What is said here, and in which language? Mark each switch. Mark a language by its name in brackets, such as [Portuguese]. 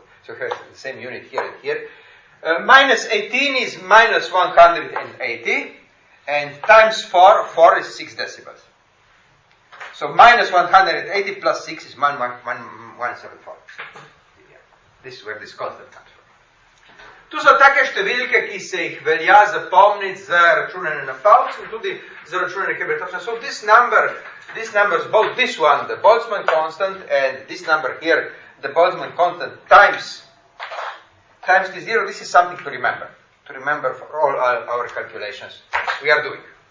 [English] So here's the same unit here and here. Minus 18 is minus 180 and times 4, 4 is 6 decibels. So minus 180 plus 6 is 174. This is where this constant comes. [Slovenian] Tu so take številke, ki se jih velja zapomniti za računanje na palcu in tudi za računanje kebretočne. [English] So this number, these numbers, both this one, the Boltzmann constant, and this number here, the Boltzmann constant, times the zero, this is something to remember. To remember for all our calculations we are doing.